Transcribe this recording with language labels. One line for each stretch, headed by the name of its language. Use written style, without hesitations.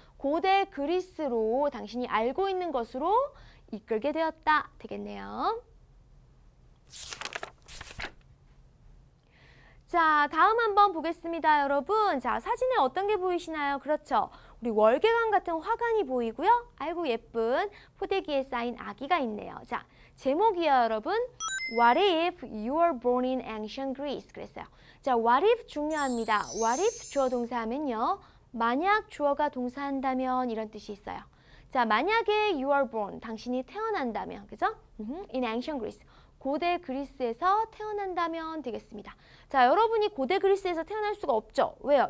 Korean: 고대 그리스로 당신이 알고 있는 것으로 이끌게 되었다. 되겠네요. 자, 다음 한번 보겠습니다, 여러분. 자, 사진에 어떤 게 보이시나요? 그렇죠. 우리 월계관 같은 화관이 보이고요. 아이고, 예쁜 포대기에 쌓인 아기가 있네요. 자, 제목이요, 여러분.
English: What if you were born in ancient Greece?
Korean: 그랬어요. 자, what if 중요합니다. What if 주어 동사하면요. 만약 주어가 동사한다면 이런 뜻이 있어요. 자, 만약에
English: you are born,
Korean: 당신이 태어난다면, 그죠?
English: In ancient Greece.
Korean: 고대 그리스에서 태어난다면 되겠습니다. 자, 여러분이 고대 그리스에서 태어날 수가 없죠. 왜요?